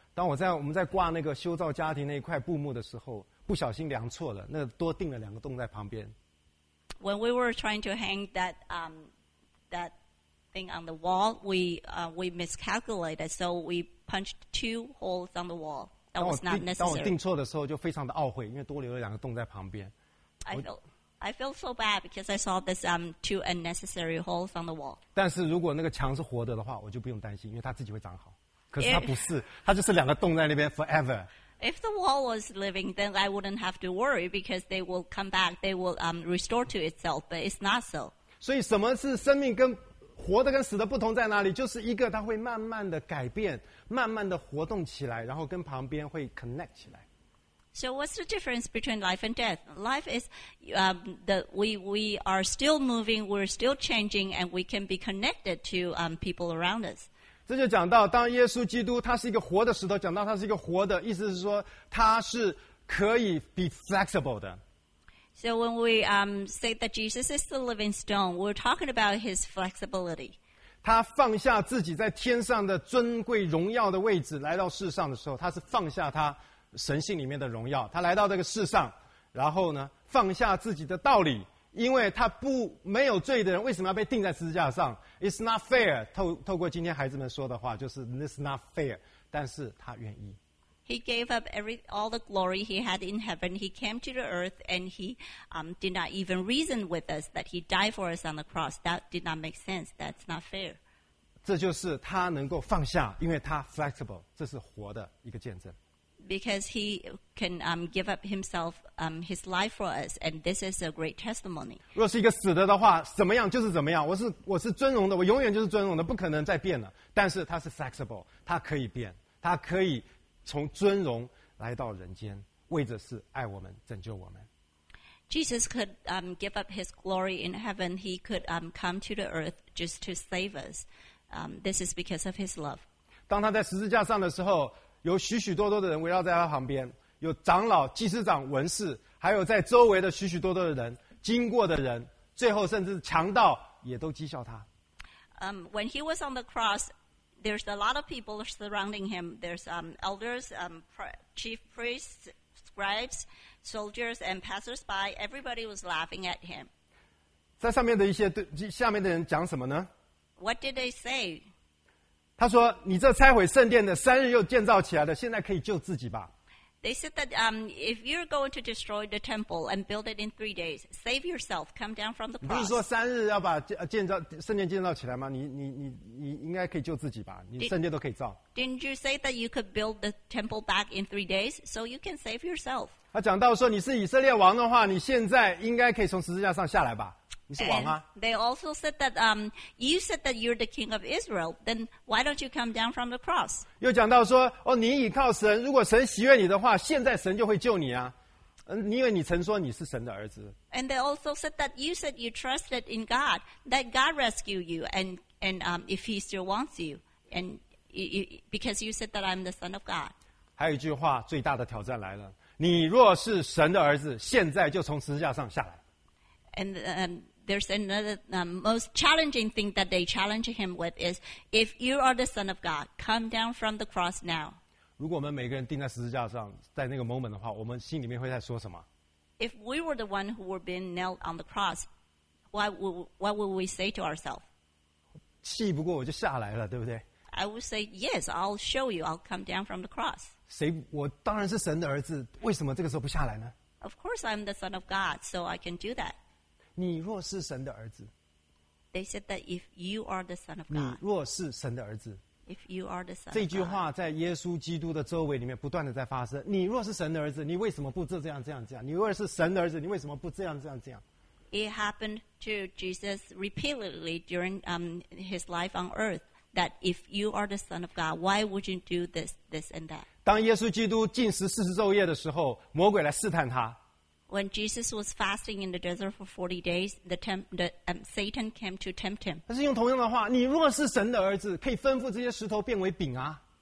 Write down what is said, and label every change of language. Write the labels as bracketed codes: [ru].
[zh] 当我们在挂那个修造家庭那一块布幕的时候，不小心量错了，那多钉了两个洞在旁边。 [en] When we were trying to hang that thing on the wall, we miscalculated, so we punched two holes on the wall. That was not necessary. [zh] 当我定错的时候就非常的懊悔，因为多留了两个洞在旁边。 [en] I feel so bad because I saw this two unnecessary holes on the wall. [zh] 但是如果那个墙是活着的话，我就不用担心，因为它自己会长好。可是它不是，它就是两个洞在那边 forever. [en] If the wall was living, then I wouldn't have to worry because they will come back. They will restore to itself, but it's not so. [zh] 所以什么是生命跟活的跟死的不同在哪里？就是一个它会慢慢的改变，慢慢的活动起来，然后跟旁边会 connect 起来。 [en] So what's the difference between life and death? Life is we are still moving, we're still changing, and we can be connected to people around us. [zh] 这就讲到，当耶稣基督他是一个活的石头，讲到他是一个活的，意思是说他是可以 [en] be flexible [zh] 的。 [en] So when we say that Jesus is the living stone, we're talking about his flexibility. [zh] 他放下自己在天上的尊贵荣耀的位置来到世上的时候，他是放下他神性里面的荣耀。他来到这个世上，然后呢，放下自己的道理，因为他不没有罪的人为什么要被钉在十字架上 ？ [en] It's not fair. [zh] 透过今天孩子们说的话，就是 [en] This is not fair. [zh] 但是他愿意。 [en] He gave up all the glory he had in heaven. He came to the earth and he did not even reason with us that he died for us on the cross. That did not make sense. That's not fair. [zh] 这就是他能够放下，因为他 flexible. 这是活的一个见证。 [en] Because he can give up himself, his life for us, and this is a great testimony. [zh] 若是一个死的的话，怎么样就是怎么样。我是尊荣的，我永远就是尊荣的，不可能再变了。但是他是 flexible， 他可以变，他可以。从尊荣来到人间，为的是爱我们、拯救我们。 [en] Jesus could give up his glory in heaven. He could come to the earth just to save us. This is because of his love. [zh] 当他在十字架上的时候，有许许多多的人围绕在他旁边，有长老、祭司长、文士，还有在周围的许许多多的人、经过的人，最后甚至强盗也都讥笑他。 [en] When he was on the cross, there's a lot of people surrounding him. There's elders, chief priests, scribes, soldiers, and passersby. Everybody was laughing at him. [zh] 在上面的一些对下面的人讲什么呢？ [en] What did they say? [zh] 他说：“你这拆毁圣殿的，三日又建造起来的，现在可以救自己吧。” [en] They said that if you're going to destroy the temple and build it in 3 days, save yourself. Come down from the cross. [zh] 你不是说三日要把建造圣殿建造起来吗？你应该可以救自己吧？你圣殿都可以造。 [en] Didn't you say that you could build the temple back in 3 days, so you can save yourself? [zh] 他讲到说你是以色列王的话，你现在应该可以从十字架上下来吧？你是王吗？ [en] And they also said that you said that you're the king of Israel. Then why don't you come down from the cross? [zh] 又讲到说，哦，你倚靠神，如果神喜悦你的话，现在神就会救你啊。因为你曾说你是神的儿子。 [en] And they also said that you said you trusted in God, that God rescue you, and if He still wants you, and you, because you said that I'm the son of God. [zh] 还有一句话，最大的挑战来了。你若是神的儿子，现在就从十字架上下来。 [en] And there's another most challenging thing that they challenge him with is if you are the son of God, come down from the cross now. [zh] 如果我们每个人钉在十字架上，在那个 moment 的话，我们心里面会在说什么？ [en] If we were the one who were being nailed on the cross, what would we say to ourselves? [zh] 气不过我就下来了，对不对？ [en] I would say yes. I'll show you. I'll come down from the cross. [zh] 谁？我当然是神的儿子，为什么这个时候不下来呢？ [en] Of course, I'm the son of God, so I can do that. [zh] 你若是神的儿子 [en] ，They said that if you are the son of God， [zh] 你若是神的儿子 [en] ，If you are the son of God， [zh] 这句话在耶稣基督的周围里面不断的在发生。你若是神的儿子，你为什么不这样这样这样？你若是神的儿子，你为什么不这样这样这样 [en] ？It happened to Jesus repeatedly during his life on earth that if you are the son of God, why would you do this, this and that？ [zh] 当耶稣基督禁食四十昼夜的时候，魔鬼来试探他。 [en] When Jesus was fasting in the desert for 40 days, Satan came to tempt him. [zh] 他是用同样的话，你若是神的儿子，可以吩咐这些石头变为饼啊。